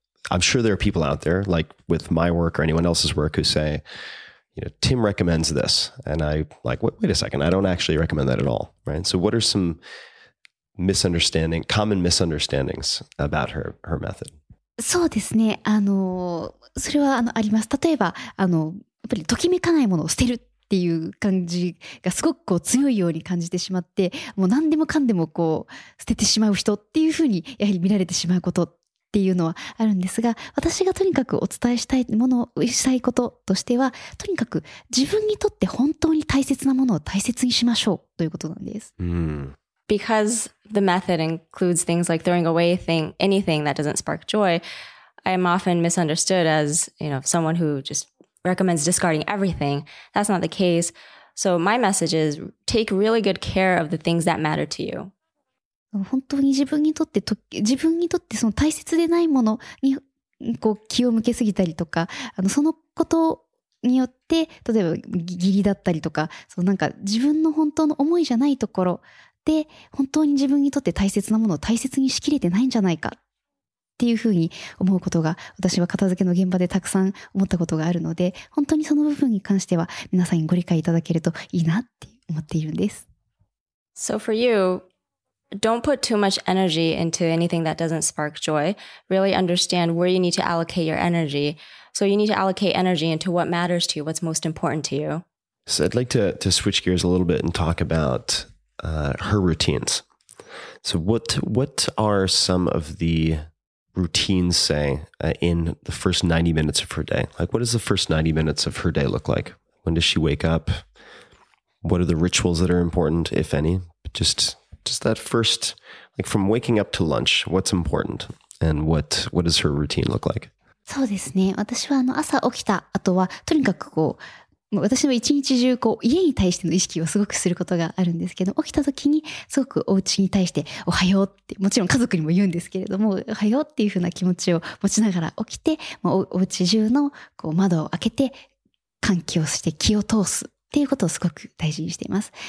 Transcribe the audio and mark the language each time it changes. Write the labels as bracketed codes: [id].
[en] I'm sure there are people out there, like with my work or anyone else's work, who say, you know, Tim recommends this. And I like, wait a second, I don't actually recommend that at all. Right. So what are some common misunderstandings about her method? [ja] そうですね。それはあります。例えば、やっぱりときめかないものを捨てるっていう感じがすごくこう強いように感じてしまって、もう何でもかんでもこう捨ててしまう人っていうふうにやはり見られてしまうことっていうのはあるんですが、私がとにかくお伝えしたいものをしたいこととしては、とにかく自分にとって本当に大切なものを大切にしましょうということなんです。 [en] Because the method includes things like throwing away anything that doesn't spark joy, I am often misunderstood as, you know, someone who just recommends discarding everything. That's not the case. So my message is take really good care of the things that matter to you. [ja] 本当に自分にとって自分にとってその大切でないものにこう気を向けすぎたりとか、そのことによって例えば義理だったりとか、そのなんか自分の本当の思いじゃないところで本当に自分にとって大切なものを大切にしきれてないんじゃないかっていうふうに思うことが、私は片付けの現場でたくさん思ったことがあるので、本当にその部分に関しては皆さんにご理解いただけるといいなって思っているんです。 [en] So for youDon't put too much energy into anything that doesn't spark joy. Really understand where you need to allocate your energy. So you need to allocate energy into what matters to you, what's most important to you. So I'd like to switch gears a little bit and talk about her routines. So what are some of the routines, say, in the first 90 minutes of her day? Like, what does the first 90 minutes of her day look like? When does she wake up? What are the rituals that are important, if any? Just that first, like from waking up to lunch, what's important and what does her routine look like? [ja] そうですね。私は朝起きた後はとにかくこう、私は一日中こう家に対しての意識をすごくすることがあるんですけど、起きた時にすごくお家に対しておはようって、もちろん家族にも言うんですけれども、おはようっていうふうな気持ちを持ちながら起きて、お家中のこう窓を開けて換気をして気を通すっていうことをすごく大事にしています。